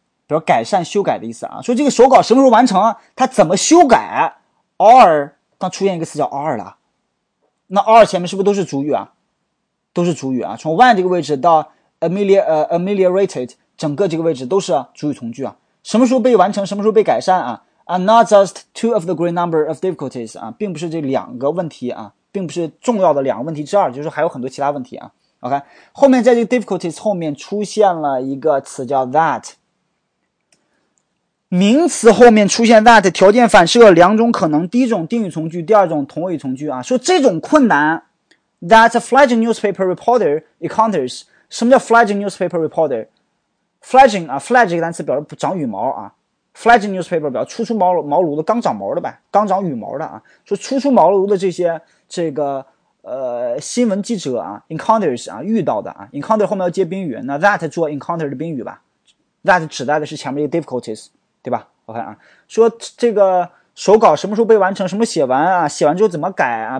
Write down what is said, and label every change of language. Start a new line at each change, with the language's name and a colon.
Chinese: 比如改善修改的意思啊，说这个手稿什么时候完成，它怎么修改 are， 它出现一个词叫 are 了，那 are 前面是不是都是主语啊，都是主语啊，从 when 这个位置到 ameliorated 整个这个位置都是主语从句啊，什么时候被完成，什么时候被改善啊，
English: not just two of the great number of difficulties
Chinese: 啊，并不是这两个问题啊，并不是重要的两个问题之二，就是还有很多其他问题啊。 OK， 后面在这个 difficulties 后面出现了一个词叫 that，名词后面出现 that 条件反射两种可能，第一种定语从句，第二种同位从句啊。说这种困难
English: that a fledging newspaper reporter encounters，
Chinese: 什么叫
English: fledging newspaper reporter？
Chinese: fledging 啊， fledge 这个单词表示长羽毛啊， fledging newspaper 表示初出茅庐的，刚长毛的呗，刚长羽毛的啊。说初出茅庐的这些这个新闻记者啊 encounters 啊，遇到的啊， encounter 后面要接宾语，那 that 做 encounter 的宾语吧， that 指代的是前面的 difficulties，对吧 ？OK 啊，说这个手稿什么时候被完成，什么写完啊？写完之后怎么改啊？